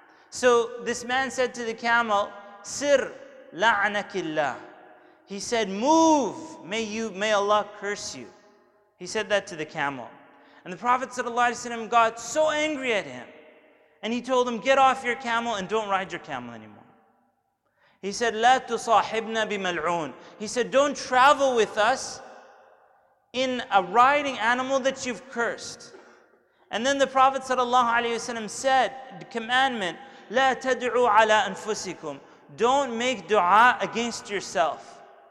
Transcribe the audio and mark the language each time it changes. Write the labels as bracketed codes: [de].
[en] So this man said to the camel, [ar] Sir, la'anakillah. [en] He said, move, may Allah curse you. He said that to the camel. And the Prophet ﷺ got so angry at him, and he told him, get off your camel and don't ride your camel anymore. [ar] He said, لَا تُصَاحِبْنَا بِمَلْعُونَ. [en] He said, don't travel with us in a riding animal that you've cursed. And then the Prophet ﷺ said, the commandment, [ar] لَا تَدْعُوا عَلَىٰ أَنفُسِكُمْ. [en] Don't make dua against yourself.